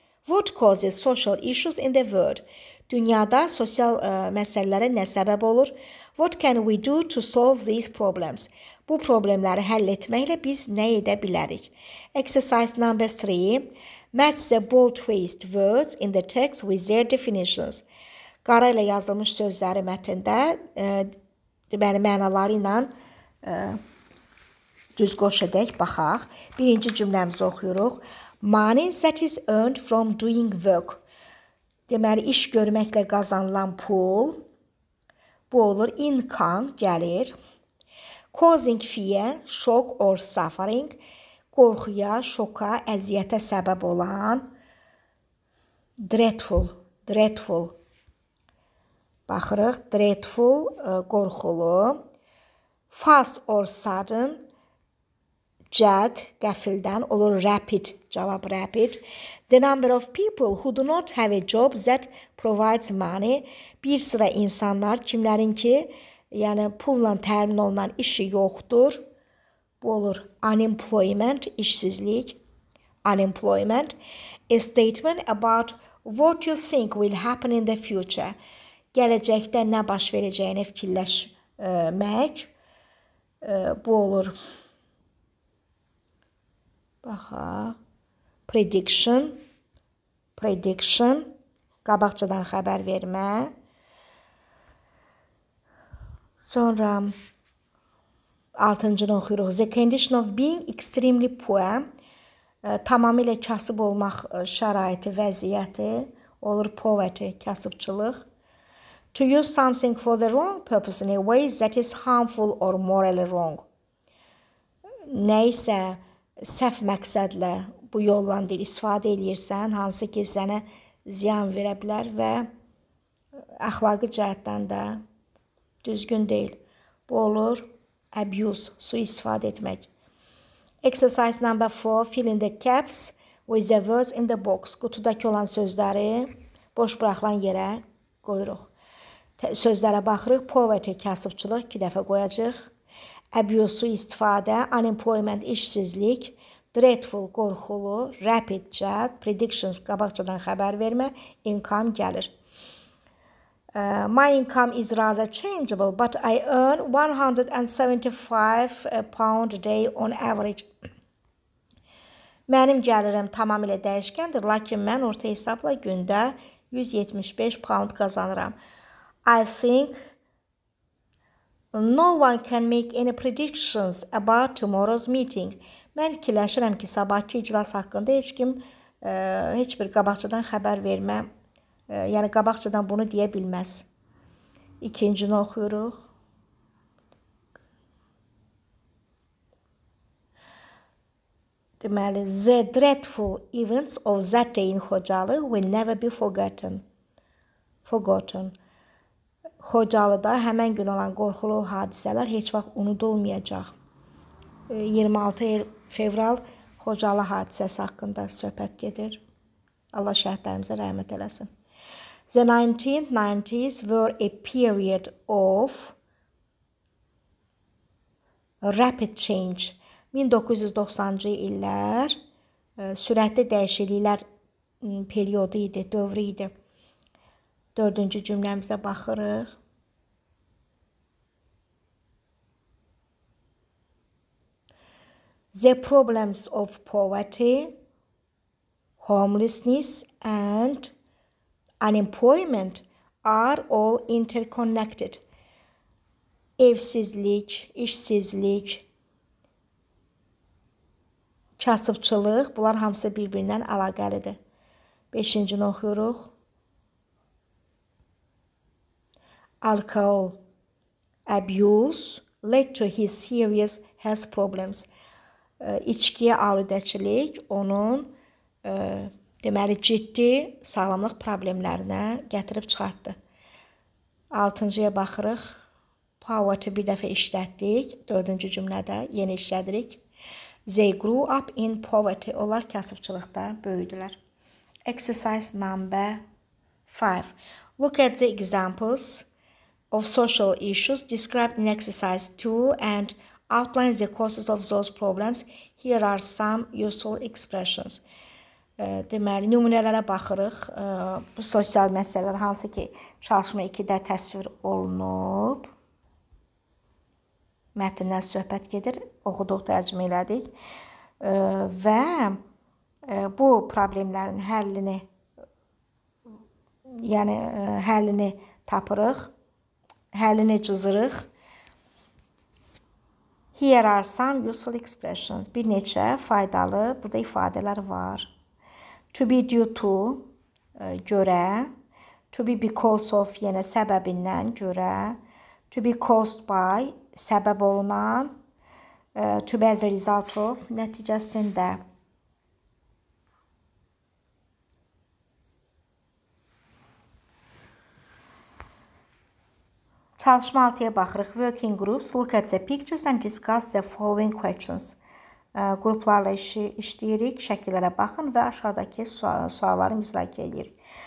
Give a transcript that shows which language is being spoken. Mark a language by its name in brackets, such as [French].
[English] What causes social issues in the world? [Azerbaijani] Dünyada sosial məsələlərə nə səbəb olur? [English] What can we do to solve these problems? [Azerbaijani] Bu problemləri həll etməklə biz nə edə bilərik? [English] Exercise number 3. Match the bold-faced words in the text with their definitions. [Azerbaijani] Qara ilə yazılmış sözləri mətndə deməli mənaları ilə düz qoş edək, baxaq. Birinci cümləmizi oxuyuruq. [English] Money that is earned from doing work. [Azerbaijani] Deməli, iş görməklə qazanılan pul, bu olur, income gəlir. [English] Causing fear, shock or suffering, [Azerbaijani] qorxuya, şoka, əziyyətə səbəb olan. Dreadful. Baxırıq, dreadful, qorxulu. [English] Fast or sudden, [Azerbaijani] cəld, qəfildən, [English] olur rapid, cavab rapid. The number of people who do not have a job that provides money. [Azerbaijani] Bir sıra insanlar, kimlərin ki, yəni pulla təmin olunan işi yoxdur. Bu olur unemployment, işsizlik. [English] Unemployment. A statement about what you think will happen in the future. [Azerbaijani] Gələcəkdə nə baş verəcəyini fikirləşmək. Bu olur. Aha, prediction, qabaqçadan xəbər vermə. Sonra, altıncını oxuyuruq. [English] The condition of being extremely poor, [Azerbaijani] tamamilə kasıb olmaq şəraiti, vəziyyəti, olur poverty, kasıbçılıq. [English] To use something for the wrong purpose in a way that is harmful or morally wrong. [Azerbaijani] Nəysə, səhv məqsədlə bu yollan deyil, istifadə edirsən, hansı ki sənə ziyan verə bilər və əxlaqı cəhətdən də düzgün deyil. Bu olur abuse, su istifadə etmək. [English] Exercise number 4, fill in the caps with the words in the box. [Azerbaijani] Qutudakı olan sözləri boş buraxılan yerə qoyuruq. Sözlərə baxırıq, poverty, kasıbçılıq 2 dəfə qoyacaq. Abuse, istifadə, unemployment, işsizlik, dreadful, qorxulu, rapid chat, predictions, qabaqçadan xəbər vermə, income gəlir. [English] My income is rather changeable, but I earn £175 a day on average. [Azerbaijani] Mənim gəlirim tamamilə dəyişkəndir, lakin mən orta hesabla gündə £175 qazanıram. [English] I think no one can make any predictions about tomorrow's meeting. [Azerbaijani] Mən fikirləşirəm ki, sabahki iclas haqqında heç kim heç bir qabaqçadan xəbər vermə, yəni qabaqçadan bunu deyə bilməz. İkincini oxuyuruq. [English] Deməli, the dreadful events of that day in Xocalı will never be forgotten. [Azerbaijani] Xocalıda həmən gün olan qorxulu hadisələr heç vaxt unudulmayacaq. 26 fevral Xocalı hadisəsi haqqında söhbət gedir. Allah şəhidlərimizə rəhmət eləsin. [English] The 1990s were a period of rapid change. [Azerbaijani] 1990-cı illər sürətli dəyişikliklər periodu idi, dövrü idi. Dördüncü cümləmizə baxırıq. [English] The problems of poverty, homelessness and unemployment are all interconnected. [Azerbaijani] Evsizlik, işsizlik, kasıbçılıq, bunlar hamısı bir-birindən əlaqəlidir. Beşincini oxuyuruq. [English] Alcohol abuse led to his serious health problems. [Azerbaijani] İçkiyə aludəçilik onun deməli ciddi sağlamlıq problemlərinə gətirib çıxartdı. Altıncıya baxırıq. Poverty bir dəfə işlətdik. Dördüncü cümlədə yeni işlədirik. [English] They grew up in poverty. [Azerbaijani] Onlar kasıbçılıqda böyüdülər. [English] Exercise number 5. Look at the examples of social issues described in exercise 2 and outline the causes of those problems. Here are some useful expressions. [Azerbaijani] Deməli, nümunələrə baxırıq. Bu sosial məsələlər hansı ki, çalışma 2-də təsvir olunub. Mətnindən söhbət gedir. Oxuduq, tərcümə elədik. Və bu problemlərin həllini, yəni həllini tapırıq, həllini cızırıq. [English] Here are some useful expressions. [Azerbaijani] Bir neçə faydalı burada ifadələr var. [English] To be due to, [Azerbaijani] görə. [English] To be because of, [Azerbaijani] yəni səbəbindən görə. [English] To be caused by, [Azerbaijani] səbəb olunan. [English] To be as a result of, nəticəsində. [Azerbaijani] Çalışma 6-ya baxırıq. [English] Working groups, look at the pictures and discuss the following questions. [Azerbaijani] Qruplarla işləyirik, şəkillərə baxın və aşağıdakı sualları müzakirə edirik.